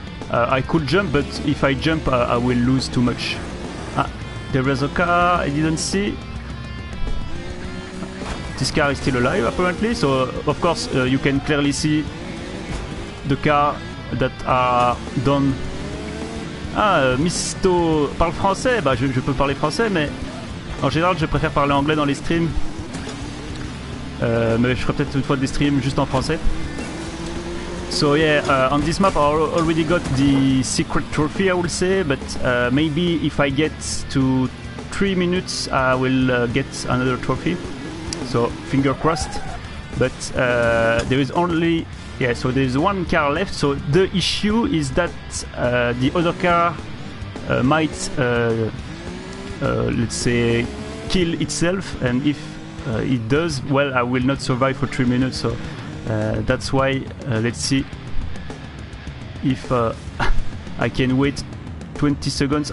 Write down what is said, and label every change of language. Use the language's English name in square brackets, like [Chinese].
[English] I could jump, but if I jump, I will lose too much. Ah, there is a car I didn't see. this car is still alive apparently, so of course you can clearly see the car that are done. [French] Ah, Misto parle français, bah je peux parler français, mais en général je préfère parler anglais dans les streams. Mais je ferai peut-être une fois des streams juste en français. [English] So yeah, on this map I already got the secret trophy, I will say, but maybe if I get to 3 minutes I will get another trophy. So finger crossed. But there is only... Yeah, so there's one car left, so the issue is that the other car might, let's say, kill itself, and if it does, well, I will not survive for 3 minutes, so that's why, let's see if I can wait 20 seconds.